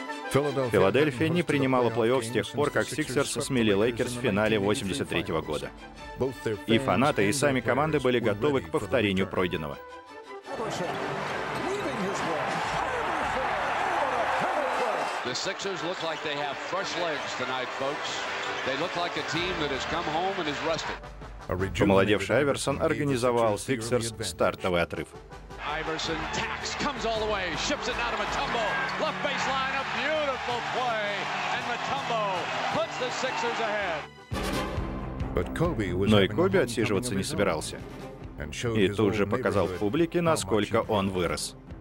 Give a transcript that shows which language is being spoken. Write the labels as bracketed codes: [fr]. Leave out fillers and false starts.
[ru] Филадельфия не принимала плей-офф с тех пор, как Sixers смели Лейкерс в финале 83-го года. И фанаты, и сами команды были готовы к повторению пройденного. [en] The Sixers look like they have fresh legs tonight, folks. They look like a team that has come home and is rested. [ru] Помолодевший Айверсон организовал Sixers стартовый отрыв. [en] Айверсон attacks, comes all the way, ships it out of Mutombo. Left baseline, a beautiful play, and Mutombo puts the Sixers ahead. [ru] Но и Коби отсиживаться не собирался. И тут же показал публике, насколько он вырос.